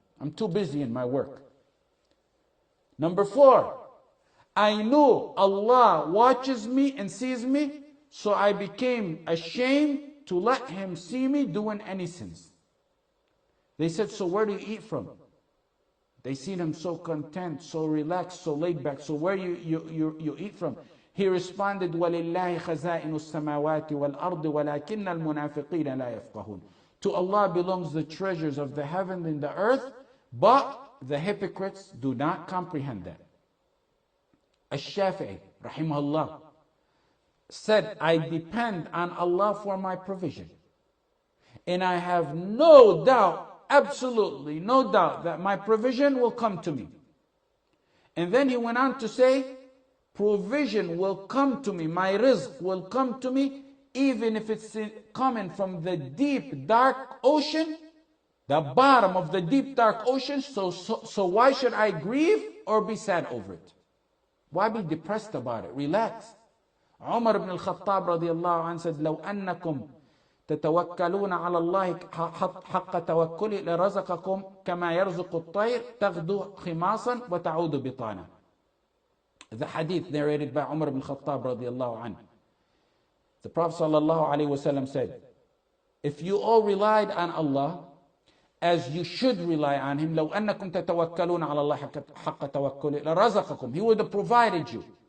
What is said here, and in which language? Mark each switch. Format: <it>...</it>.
<en>I'm too busy in my work. Number four, I knew Allah watches me and sees me, so I became ashamed to let Him see me doing any sins. They said, so where do you eat from? They seen Him so content, so relaxed, so laid back. So where you eat from? He responded,</en> <ar>وَلِلَّهِ خَزَائِنُ السَّمَاوَاتِ وَالْأَرْضِ وَلَكِنَّ الْمُنَافِقِينَ لَا يَفْقَهُونَ.</ar> <en>To Allah belongs the treasures of the heaven and the earth, but the hypocrites do not comprehend that. الشافعي</en> <ar>رحمه الله</ar> <en>said, I depend on Allah for my provision. And I have no doubt, absolutely no doubt, that my provision will come to me. And then he went on to say, provision will come to me, my rizq will come to me, even if it's coming from the deep dark ocean, the bottom of the deep dark ocean, so why should I grieve or be sad over it? Why be depressed about it? Relax. Umar ibn al-Khattab radiallahu anhu said,</en> <ar>لو أنكم تتوكلون على الله حق توكلي لرزقكم كما يرزق الطير تغدو خماصا وتعود بطانا.</ar> <en>The hadith narrated by Umar ibn al-Khattab radiallahu anhu. The Prophet sallallahu alayhi wasallam said, if you all relied on Allah as you should rely on Him,</en> <ar>لو أنكم تتوكلون على الله حق توكلي لرزقكم,</ar> <en>He would have provided you.</en>